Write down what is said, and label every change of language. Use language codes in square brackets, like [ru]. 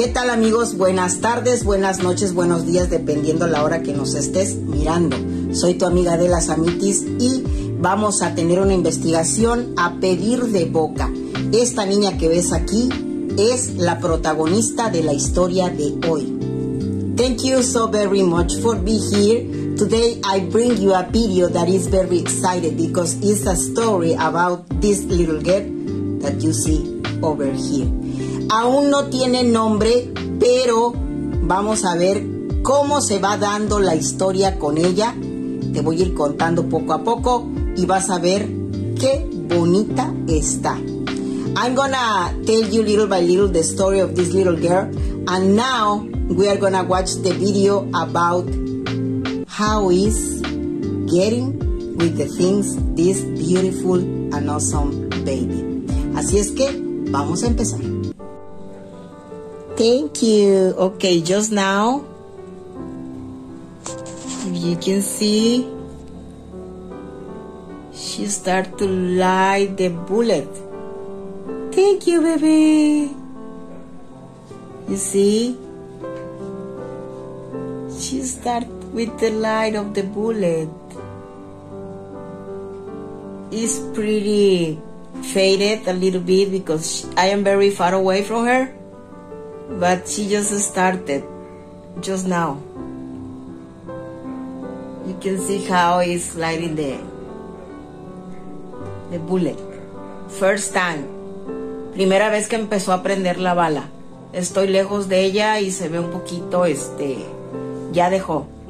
[es] Amigos, buenas tardes, buenas noches, buenos días, dependiendo la hora que nos estés mirando. Soy tu amiga Adela Samitis y vamos a tener una investigación a pedir de boca. Esta niña que ves aquí es la protagonista de la historia de hoy. [en] Thank you so very much for being here. Today I bring you a video that is very excited because it's a story about this little girl that you see over here. [es] Aún no tiene nombre, pero vamos a ver cómo se va dando la historia con ella. Te voy a ir contando poco a poco y vas a ver qué bonita está. [en] I'm gonna tell you little by little the story of this little girl. And now we are gonna watch the video about how is getting with the things this beautiful and awesome baby. [es] Así es que vamos a empezar. [en] Thank you. Okay, just now, you can see she start to light the bullet. Thank you, baby. You see? She start with the light of the bullet. It's pretty faded a little bit because I am very far away from her. But she just started, just now. You can see how it's lighting the bullet. First time. [es] Primera vez que empezó a prender la bala. Estoy lejos de ella y se ve un poquito, ya dejó.